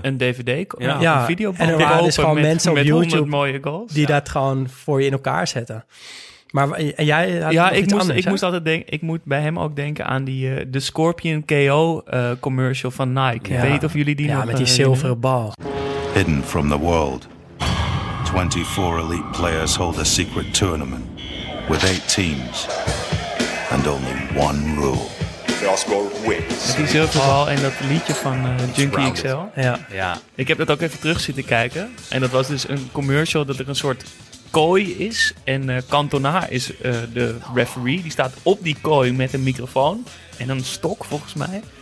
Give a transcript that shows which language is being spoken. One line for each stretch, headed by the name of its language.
Dutch: Een DVD. Ja, een videobanden. En er waren dus gewoon mensen op YouTube mooie goals, die dat gewoon voor je in elkaar zetten. Maar en jij had ik moet bij hem ook denken aan die de Scorpion KO commercial van Nike. Ja. Weet of jullie die nog met die zilveren bal.
English: Hidden from the world. 24 elite players hold a secret tournament with 8 teams and only one rule.
Dutch: Met die zilveren bal en dat liedje van Junkie XL. Ja. Ik heb dat ook even terug zitten kijken en dat was dus een commercial dat er een soort kooi is en Cantona is de referee. Die staat op die kooi met een microfoon en een stok volgens mij.